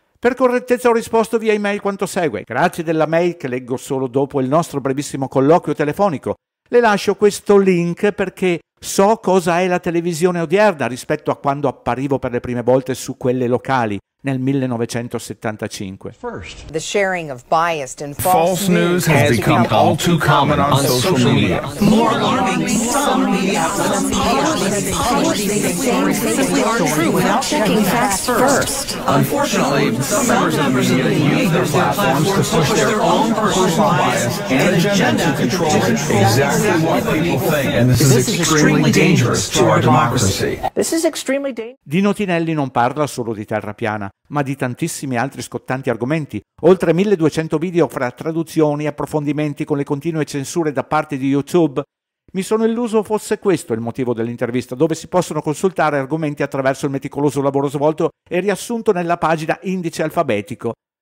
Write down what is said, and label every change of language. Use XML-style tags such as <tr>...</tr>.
<it>Per correttezza ho risposto via email quanto segue. Grazie della mail che leggo solo dopo il nostro brevissimo colloquio telefonico. Le lascio questo link perché so cosa è la televisione odierna rispetto a quando apparivo per le prime volte su quelle locali nel 1975.</it> <en>First, the sharing of biased and false news has become all too common on social media. More alarming, some media outlets publish these stories simply aren't true without checking facts first. Unfortunately, some members of the media use their platforms to push their own personal bias and agenda to control exactly what people think, and this is extremely dangerous to our democracy. This is extremely dangerous.</en> <it>Di Notinelli non parla solo di terra piana, ma di tantissimi altri scottanti argomenti. Oltre 1200 video fra traduzioni e approfondimenti con le continue censure da parte di YouTube. Mi sono illuso fosse questo il motivo dell'intervista, dove si possono consultare argomenti attraverso il meticoloso lavoro svolto e riassunto nella pagina indice alfabetico.</it>